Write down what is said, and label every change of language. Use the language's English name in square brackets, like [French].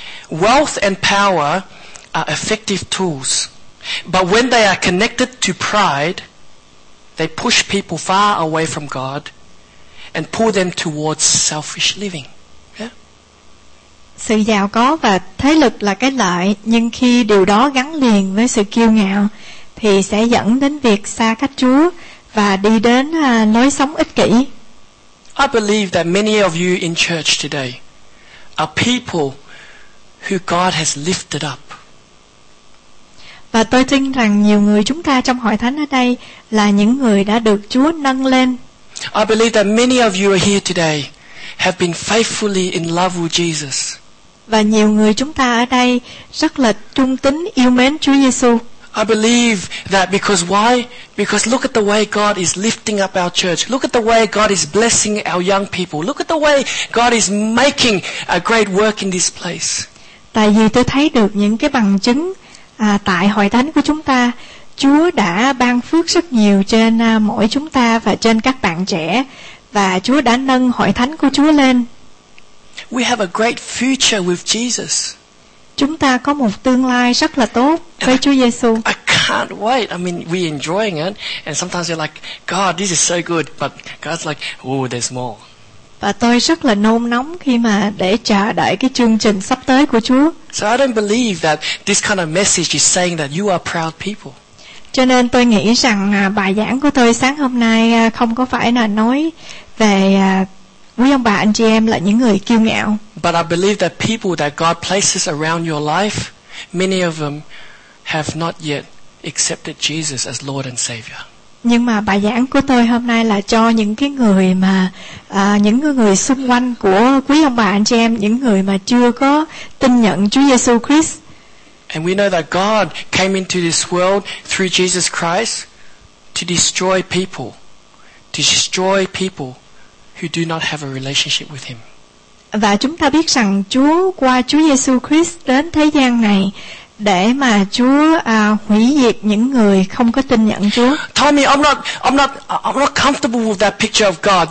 [English] Wealth and power are effective tools, but when they are connected to pride, they push people far away from God and pull them towards selfish living. Yeah? [Vietnamese] Sự giàu có và thế lực là cái lợi, nhưng khi điều đó gắn liền với sự kiêu ngạo thì sẽ dẫn đến việc xa cách Chúa và đi đến lối sống ích kỷ. [English] I believe that many of you in church today are people who God has lifted up. [Vietnamese] Và tôi tin rằng nhiều người chúng ta trong hội thánh ở đây là những người đã được Chúa nâng lên. [English] I believe that many of you are here today have been faithfully in love with Jesus. [Vietnamese] Và nhiều người chúng ta ở đây rất là trung tín yêu mến Chúa Giê-xu. [English] I believe that because why? Because look at the way God is lifting up our church. Look at the way God is blessing our young people. Look at the way God is making a great work in this place. [Vietnamese] Tại vì tôi thấy được những cái bằng chứng tại hội thánh của chúng ta, Chúa đã ban phước rất nhiều trên mỗi chúng ta và trên các bạn trẻ, và Chúa đã nâng hội thánh của Chúa lên. [English] We have a great future with Jesus. [Vietnamese] Chúng ta có một tương lai rất là tốt với Chúa Giê-xu. [English] I can't wait. I mean, we're enjoying it. And sometimes you're like, God, this is so good. But God's like, oh, there's more. [Vietnamese] Và tôi rất là nôn nóng khi mà để chờ đợi cái chương trình sắp tới của Chúa. [English] So I don't believe that this kind of message is saying that you are proud people. [Vietnamese] Cho nên tôi nghĩ rằng bài giảng của tôi sáng hôm nay không có phải là nói về quý ông bà anh chị em là những người kiêu ngạo. [English] But I believe that people that God places around your life, many of them have not yet accepted Jesus as Lord and Savior. [Vietnamese] Nhưng mà bài giảng của tôi hôm nay là cho những cái người mà những người xung quanh của quý ông bà anh chị em, những người mà chưa có tin nhận Chúa Giê-xu Christ. [English] And we know that God came into this world through Jesus Christ to destroy people. Destroy people who do not have a relationship with him. [Vietnamese] Và chúng ta biết rằng Chúa qua Chúa Giê-xu Christ đến thế gian này để mà Chúa hủy diệt những người không có tin nhận Chúa. [English] Tommy, I'm not comfortable with that picture of God.